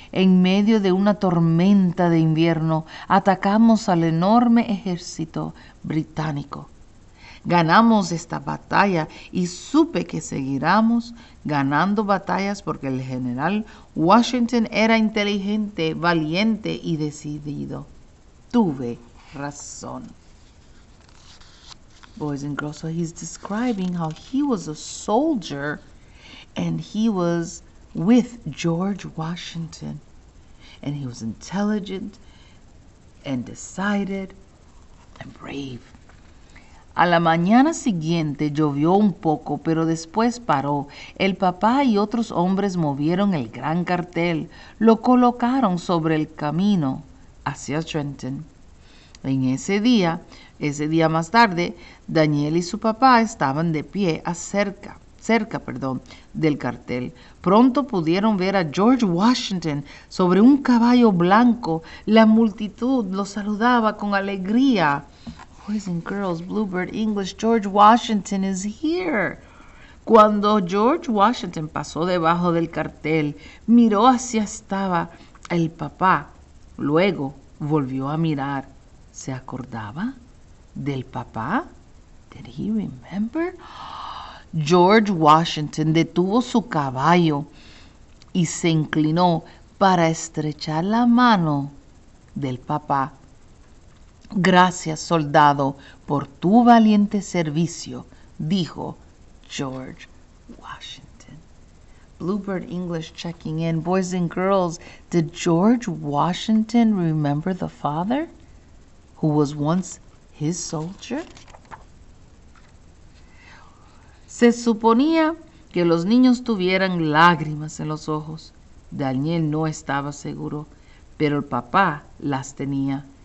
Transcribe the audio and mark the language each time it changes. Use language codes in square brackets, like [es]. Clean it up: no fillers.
[es] En medio de una tormenta de invierno, atacamos al enorme ejército británico. Ganamos esta batalla y supe que seguiríamos ganando batallas porque el general Washington era inteligente, valiente y decidido. Tuve razón. [en] Boys and girls, so he's describing how he was a soldier and he was with George Washington. And he was intelligent and decided and brave. [es] A la mañana siguiente llovió un poco, pero después paró. El papá y otros hombres movieron el gran cartel, lo colocaron sobre el camino hacia Trenton. En ese día más tarde, Daniel y su papá estaban de pie cerca, del cartel. Pronto pudieron ver a George Washington sobre un caballo blanco. La multitud lo saludaba con alegría. [en] Boys and girls, Bluebird English, George Washington is here. [es] Cuando George Washington pasó debajo del cartel, miró hacia estaba el papá. Luego volvió a mirar. ¿Se acordaba del papá? [en] Did he remember? [es] George Washington detuvo su caballo y se inclinó para estrechar la mano del papá. Gracias, soldado, por tu valiente servicio, dijo George Washington. [en] Bluebird English checking in. Boys and girls, did George Washington remember the father who was once his soldier? [es] Se suponía que los niños tuvieran lágrimas en los ojos. Daniel no estaba seguro, pero el papá las tenía.